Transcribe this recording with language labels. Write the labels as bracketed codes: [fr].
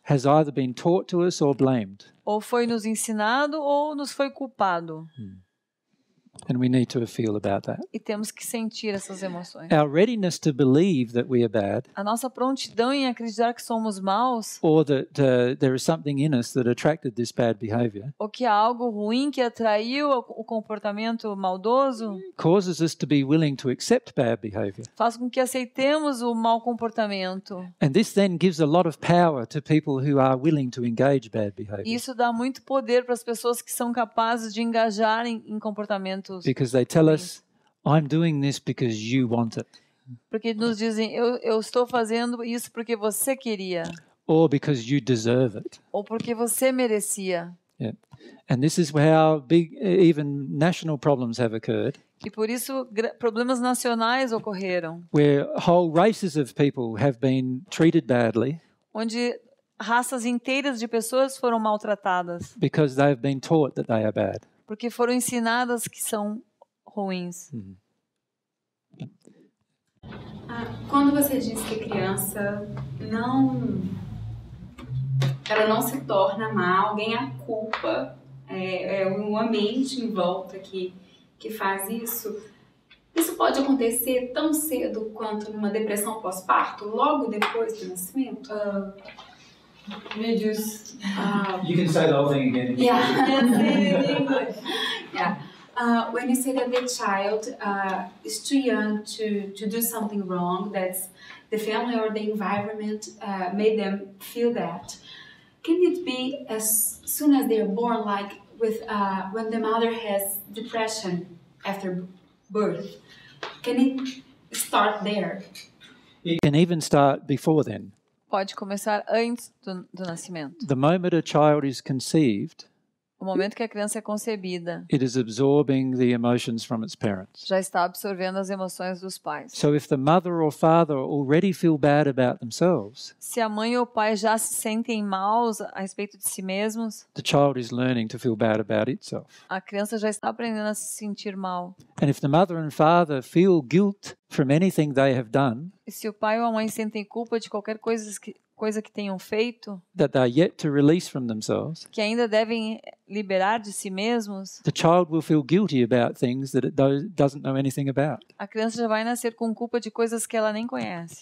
[en] Has either been taught to us or blamed. [pt] Ou foi nos ensinado ou nos foi culpado. [en] And we need to feel about that. [pt] E temos que sentir essas emoções. [en] Our readiness to believe that we are bad. [pt] A nossa prontidão em acreditar que somos maus. [en] Or that there is something in us that attracted this bad behavior. [pt] Ou que há algo ruim que atraiu o comportamento maldoso. [en] Causes us to be willing to accept bad behavior. [pt] Faz com que aceitemos o mau comportamento. [en] And this then gives a lot of power to people who are willing to engage bad behavior. [pt] Isso dá muito poder para as pessoas que são capazes de engajar em comportamento. [en] Because they tell us, I'm doing this because you want it. [pt] Porque nos dizem, eu estou fazendo isso porque você queria. [en] Or because you deserve it. [pt] Ou porque você merecia. [en] Yeah. And this is where big, even national problems have occurred. [pt] E por isso problemas nacionais ocorreram. [en] Where whole races of people have been treated badly. [pt] Onde raças inteiras de pessoas foram maltratadas. [en] Because they have been taught that they are bad. [pt] Porque foram ensinadas que são ruins. Quando você diz que a criança não... Ela não se torna má, alguém a culpa. É uma mente em volta que faz isso. Isso pode acontecer tão cedo quanto numa depressão pós-parto, logo depois do nascimento? [en] You can say the whole thing again. When you say that the child is too young to do something wrong, that's the family or the environment made them feel that. Can it be as soon as they are born, like with when the mother has depression after birth? Can it start there? It can even start before then. [pt] Pode começar antes do nascimento. [en] The moment a child is conceived, [pt] o momento que a criança é concebida, [en] it is absorbing the emotions from its parents. [pt] Já está absorvendo as emoções dos pais. [en] So if the mother or father already feel bad about themselves, [pt] se a mãe ou o pai já se sentem maus a respeito de si mesmos, [en] the child is learning to feel bad about itself. [pt] A criança já está aprendendo a se sentir mal. [en] And if the mother and father feel guilt from anything they have done, [pt] e se o pai ou a mãe sentem culpa de qualquer coisa coisa que tenham feito, [en] that they are yet to release from themselves, [pt] que ainda devem liberar de si mesmos, [en] the child will feel guilty about things that it doesn't know anything about. [pt] A criança já vai nascer com culpa de coisas que ela nem conhece.